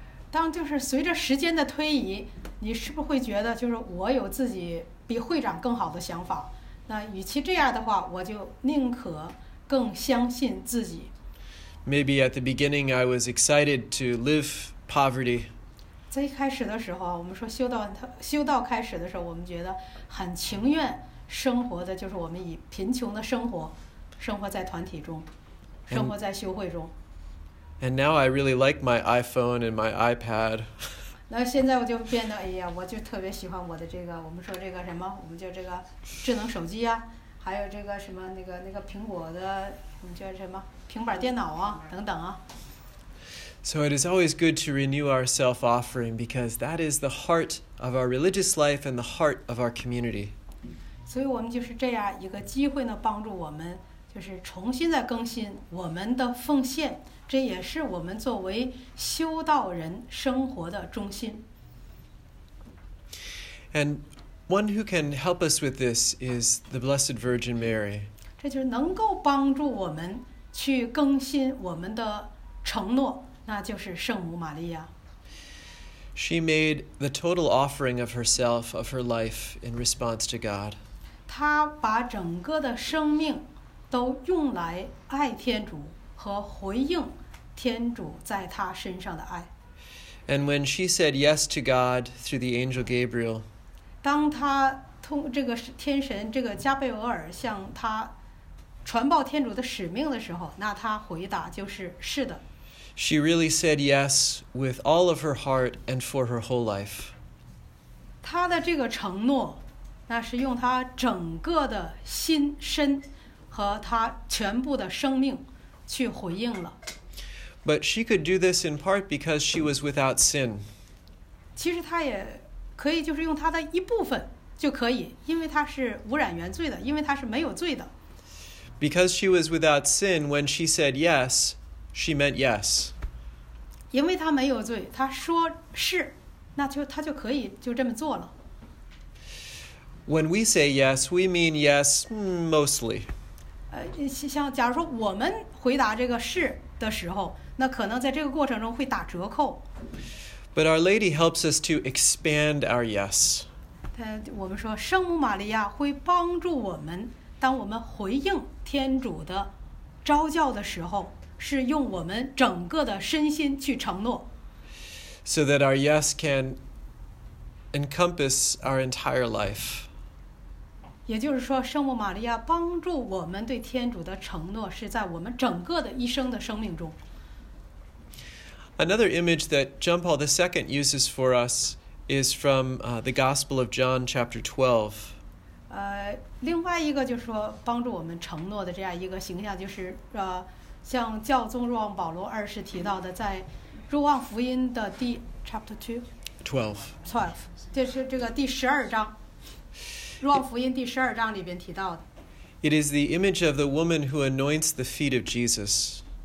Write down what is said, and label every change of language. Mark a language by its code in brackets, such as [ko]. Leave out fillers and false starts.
[zh] 当就是随着时间的推移，你是不是会觉得就是我有自己？比会长更好的想法，那与其这样的话，我就宁可更相信自己。 [en] Maybe at the beginning I was excited to live poverty. [zh] 在一开始的时候，我们说修道开始的时候，我们觉得很情愿生活的就是我们以贫穷的生活在团体中，生活在修会中。 [en] And now I really like my iPhone and my iPad. [zh] 那现在我就变得，哎呀，我就特别喜欢我的这个，我们说这个什么，我们叫这个智能手机啊，还有这个什么那个苹果的，我们叫什么平板电脑啊，等等啊。 [en] So it is always good to renew our self-offering because that is the heart of our religious life and the heart of our community. [zh] 所以我们就是这样一个机会呢，帮助我们就是重新的更新我们的奉献。这也是我们作为修道人生活的中心。 [en] And one who can help us with this is the Blessed Virgin Mary. [zh] 这就是能够帮助我们去更新我们的承诺，那就是圣母玛利亚。 [en] She made the total offering of herself, of her life, in response to God. [zh] 她把整个的生命都用来爱天主和回应。天主在他身上的爱。 [en] And when she said yes to God through the angel Gabriel, [zh] 当他通这个天神这个加贝尔向他传报天主的使命的时候，那他回答就是是的。 [en] She really said yes with all of her heart and for her whole life. [zh] 他的这个承诺，那是用他整个的心身和他全部的生命去回应了。 [en] But she could do this in part because she was without sin. [zh] 其实她也可以就是用她的一部分就可以，因为她是无染原罪的，因为她是没有罪的。 [en] Because she was without sin, when she said yes, she meant yes. [zh] 因为她没有罪，她说是，那就她就可以就这么做了。 [en] When we say yes, we mean yes mostly. [zh] 像假如说我们回答这个是的时候。那可能在这个过程中会打折扣。 [en] But Our Lady helps us to expand our yes. [zh] 我们说圣母玛利亚会帮助我们，当我们回应天主的召叫的时候，是用我们整个的身心去承诺。 [en] So that our yes can encompass our entire life. [zh] 也就是说，圣母玛利亚帮助我们对天主的承诺是在我们整个的一生的生命中。 [en] Another image that John Paul II uses for us is from the Gospel of John, chapter 12. [zh] 另外一个就是说帮助我们承诺的这样一个形象，就是像教宗若望保罗二世提到的，在若望福音的第 [en] chapter 2 12 [zh] 就是这个第十二章，若望福音第十二章里边提到的。 [en] It is the image of the woman who anoints the feet of Jesus.